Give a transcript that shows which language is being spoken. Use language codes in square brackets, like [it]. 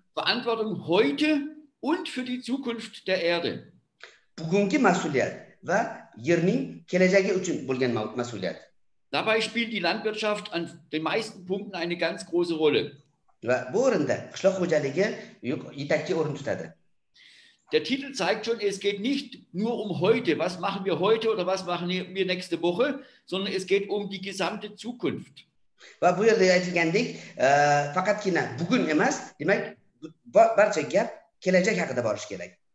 [de] Verantwortung heute und für die Zukunft der Erde. [uz] Bugungi mas'uliyat va yerning kelajagi uchun bo'lgan mas'uliyat. [de] Dabei spielt die Landwirtschaft an den meisten Punkten eine ganz große Rolle. [uz] Va bu o'rinda qishloq xo'jaligi yetakchi o'rin tutadi. [de] Der Titel zeigt schon, es geht nicht nur um heute, was machen wir heute oder was machen wir nächste Woche, sondern es geht um die gesamte Zukunft. [uz] Va bu yerda aytilgandek, faqatgina bugun emas, demak, barcha gap kelajak haqida borish kerak.